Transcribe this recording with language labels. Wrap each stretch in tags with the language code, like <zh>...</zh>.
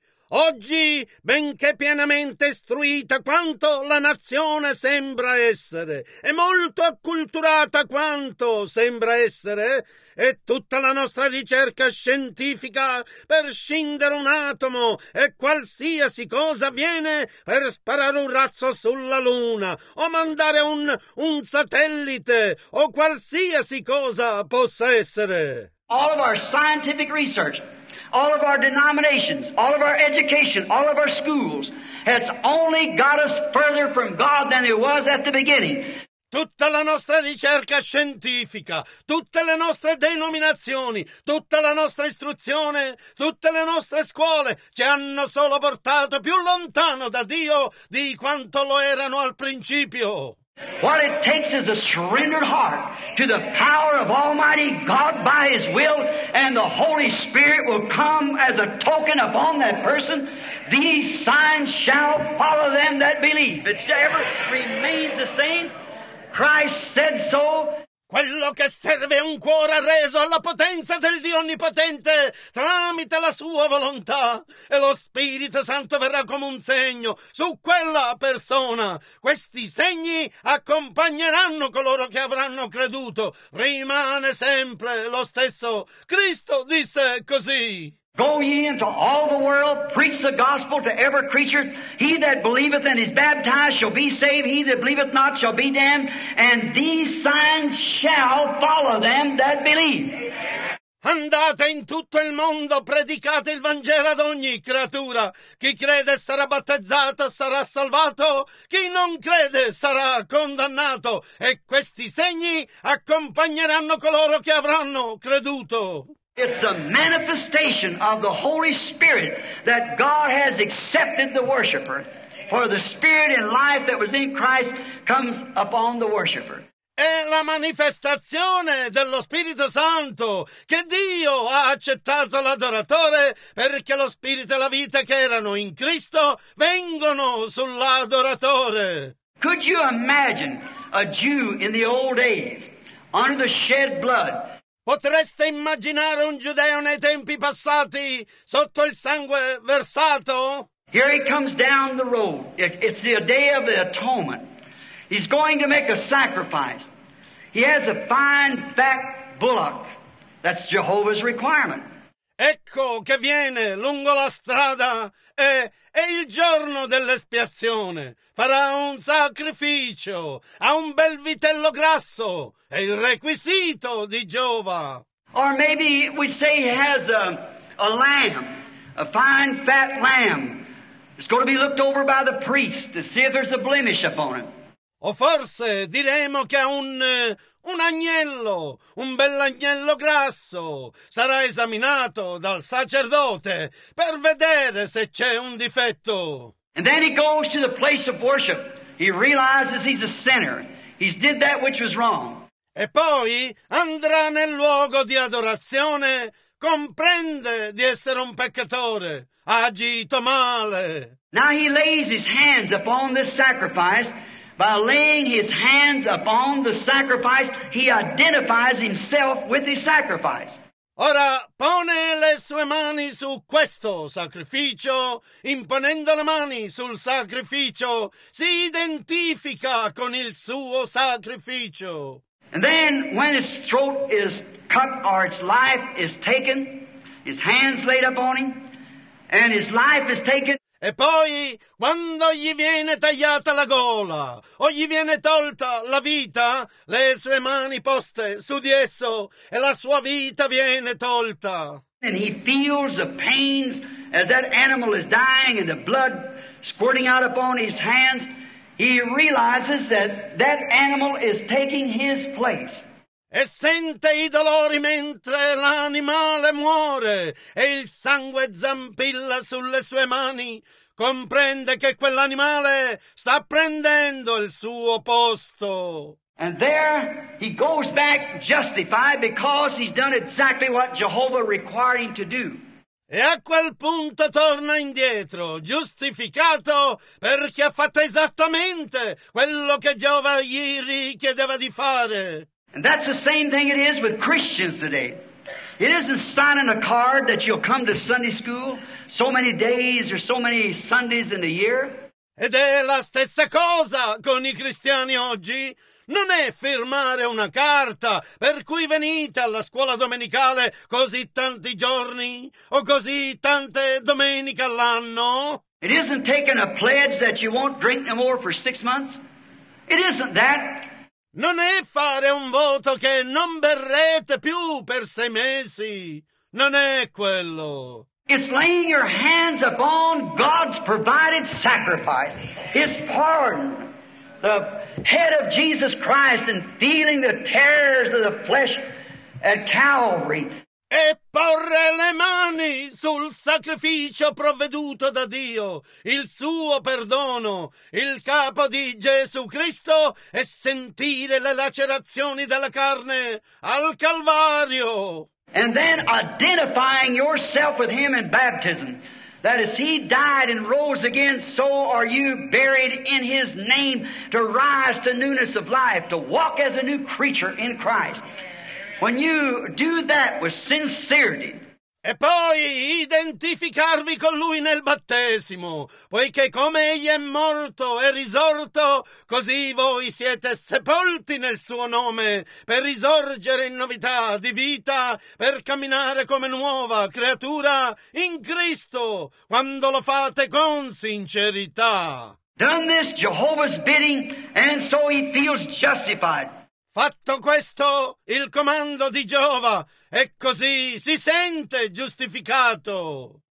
<it>Oggi, benché pienamente istruita quanto la nazione sembra essere, e molto acculturata quanto sembra essere, e tutta la nostra ricerca scientifica per scindere un atomo e qualsiasi cosa avviene per sparare un razzo sulla Luna o mandare un satellite o qualsiasi cosa possa essere.</it> <en>All of our scientific research, all of our denominations, all of our education, all of our schools, has only got us further from God than it was at the beginning.</en> <it>Tutta la nostra ricerca scientifica, tutte le nostre denominazioni, tutta la nostra istruzione, tutte le nostre scuole ci hanno solo portato più lontano da Dio di quanto lo erano al principio.</it> <en>What it takes is a surrendered heart to the power of Almighty God by His will, and the Holy Spirit will come as a token upon that person. These signs shall follow them that believe. It ever remains the same. Christ said so.</en> <it>Quello che serve è un cuore reso alla potenza del Dio Onnipotente tramite la sua volontà, e lo Spirito Santo verrà come un segno su quella persona. Questi segni accompagneranno coloro che avranno creduto. Rimane sempre lo stesso. Cristo disse così:</it> <en>Go ye into all the world, preach the gospel to every creature. He that believeth and is baptized shall be saved, he that believeth not shall be damned, and these signs shall follow them that believe.</en> <it>Andate in tutto il mondo, predicate il Vangelo ad ogni creatura. Chi crede sarà battezzato, sarà salvato. Chi non crede sarà condannato. E questi segni accompagneranno coloro che avranno creduto.</it> <en>It's a manifestation of the Holy Spirit that God has accepted the worshiper, for the Spirit and life that was in Christ comes upon the worshiper.</en> <it>È la manifestazione dello Spirito Santo che Dio ha accettato l'adoratore, perché lo Spirito e la vita che erano in Cristo vengono sull'adoratore.</it> <en>Could you imagine a Jew in the old days under the shed blood?</en> <it>Potreste immaginare un giudeo nei tempi passati sotto il sangue versato?</it> <en>Here he comes down the road. It's the day of the atonement. He's going to make a sacrifice. He has a fine fat bullock. That's Jehovah's requirement.</en> <it>Ecco che viene lungo la strada, è il giorno dell'espiazione. Farà un sacrificio, ha un bel vitello grasso, è il requisito di Giova.</it> <en>Or maybe we say he has a lamb, a fine fat lamb. It's going to be looked over by the priest to see if there's a blemish upon it.</en> <it>O forse diremo che ha un agnello, un bell'agnello grasso, sarà esaminato dal sacerdote per vedere se c'è un difetto.</it> <en>And then he goes to the place of worship. He realizes he's a sinner. He's did that which was wrong.</en> <it>E poi andrà nel luogo di adorazione, comprende di essere un peccatore, ha agito male.</it> <en>Now he lays his hands upon this sacrifice. By laying his hands upon the sacrifice, he identifies himself with the sacrifice.</en> <it>Ora pone le sue mani su questo sacrificio, imponendo le mani sul sacrificio, si identifica con il suo sacrificio.</it> <en>And then when his throat is cut or its life is taken, his hands laid upon him, and his life is taken.</en> <it>E poi, quando gli viene tagliata la gola, o gli viene tolta la vita, le sue mani poste su di esso, e la sua vita viene tolta.</it> <en>And he feels the pains as that animal is dying and the blood squirting out upon his hands. he realizes that that animal is taking his place.</en> <it>E sente i dolori mentre l'animale muore e il sangue zampilla sulle sue mani. Comprende che quell'animale sta prendendo il suo posto.</it> <en>And there he goes back justified because he's done exactly what Jehovah required him to do.</en> <it>E a quel punto torna indietro, giustificato perché ha fatto esattamente quello che Jehovah gli richiedeva di fare.</it> <en>And that's the same thing it is with Christians today. It isn't signing a card that you'll come to Sunday school so many days or so many Sundays in a year.</en> <it>Ed è la stessa cosa con i cristiani oggi. Non è firmare una carta per cui venite alla scuola domenicale così tanti giorni o così tante domeniche all'anno.</it> <en>It isn't taking a pledge that you won't drink no more for 6 months. It isn't that.</en> <it>Non è fare un voto che non berrete più per 6 mesi. Non è quello.</it> <en>It's laying your hands upon God's provided sacrifice, His pardon, the head of Jesus Christ, and feeling the terrors of the flesh at Calvary.</en> <it>E porre le mani sul sacrificio provveduto da Dio, il suo perdono, il capo di Gesù Cristo, e sentire le lacerazioni della carne al Calvario.</it> <en>And then identifying yourself with him in baptism, that as he died and rose again, so are you buried in his name to rise to newness of life, to walk as a new creature in Christ. When you do that with sincerity.</en> <it>E poi identificarvi con lui nel battesimo, poiché come egli è morto e risorto, così voi siete sepolti nel suo nome per risorgere in novità di vita, per camminare come nuova creatura in Cristo, quando lo fate con sincerità.</it> <en>Done this Jehovah's bidding, and so he feels justified.</en> <it>Fatto questo il comando di Geova, e così si sente giustificato.</it>